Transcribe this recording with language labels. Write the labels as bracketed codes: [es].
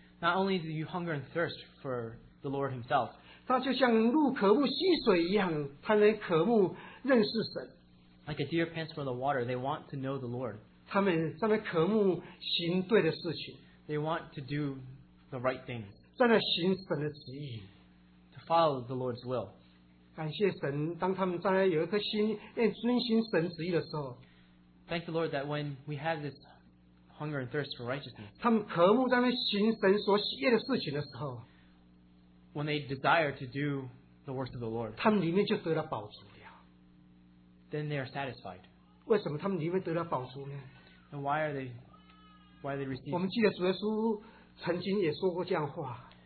[en] Not only do you hunger and thirst for the Lord Himself. [zh] 他就像鹿渴慕溪水一样，他能渴慕认识神。 [en] Like a deer pants for the water, they want to know the Lord. [zh] 他们在那渴慕行对的事情。 [en] They want to do the right things. [zh] 在那行神的旨意。 [en] To follow the Lord's will. [zh] 感谢神，当他们将来有一颗心愿遵循神旨意的时候 [en] ，Thank the Lord that when we have this hunger and thirst for righteousness， [zh] 他们渴慕在那行神所喜悦的事情的时候 [en] ，When they desire to do the works of the Lord， [zh] 他们里面就得了饱足了 [en] ，Then they are satisfied。 [zh] 为什么他们里面得了饱足呢 [en] ？And why are they receiving？ [zh] 我们记得主耶稣曾经也说过这样话。